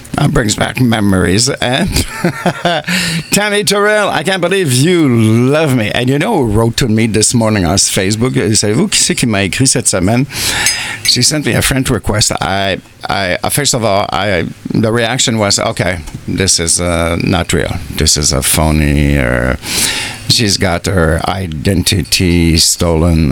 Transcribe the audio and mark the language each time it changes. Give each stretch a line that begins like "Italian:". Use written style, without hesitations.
English: Brings back memories, and Tammy Terrell, I can't believe you love me. And you know who wrote to me this morning on Facebook?
French: Elle dit, vous, qui c'est qui m'a écrit cette semaine?
English: She sent me a friend request. The reaction was, okay, this is not real. This is a phony, or she's got her identity stolen.